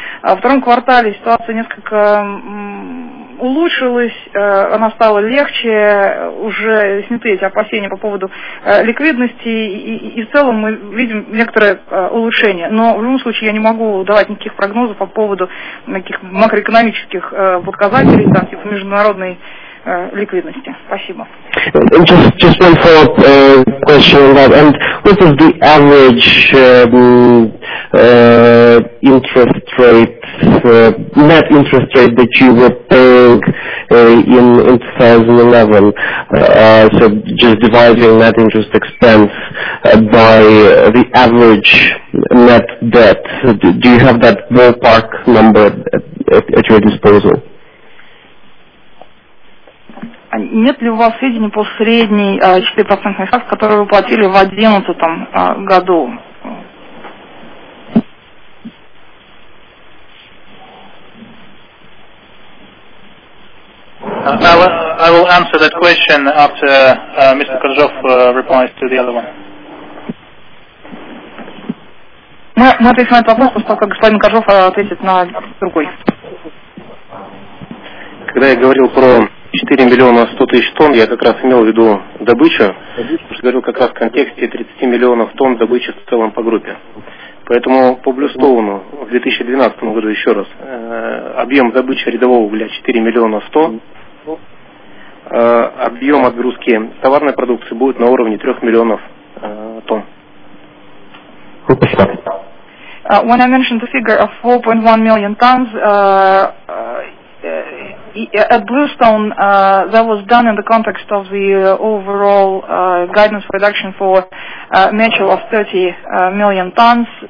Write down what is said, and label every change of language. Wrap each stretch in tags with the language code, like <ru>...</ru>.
<ru>Во втором квартале ситуация несколько улучшилась, она стала легче, уже сняты эти опасения по поводу ликвидности, и в целом мы видим некоторое улучшение. Но в любом случае я не могу давать никаких прогнозов по поводу каких макроэкономических показателей, там, типа международной ликвидности. Спасибо.</ru> <en>Just one follow-up question on that. And what is the average interest rate, net interest rate that you were paying in 2011? So just dividing net interest expense by the average net debt. So do you have that ballpark number at your disposal?</en> <ru>Нет ли у вас сведений по средней 4% ставке, которую вы платили в 2011 году?</ru> <en>I will answer that question after Mr. Kozhov replies to the other one.</en> <ru>Мы ответим на этот вопрос, после того, как господин Кожов ответит на другой. Когда я говорил про 4 100 000 тонн, я как раз имел в виду добычу, потому что говорил как раз в контексте 30 000 000 тонн добычи в целом по группе. Поэтому по Блюстоуну в 2012 году, еще раз, объем добычи рядового угля 4 100 000, объем отгрузки товарной продукции будет на уровне 3 000 000 тонн.</ru> <en>When I mentioned the figure of 4.1 million tons, at Bluestone, that was done in the context of the overall guidance reduction for Mitchell of 30 million tons.</en>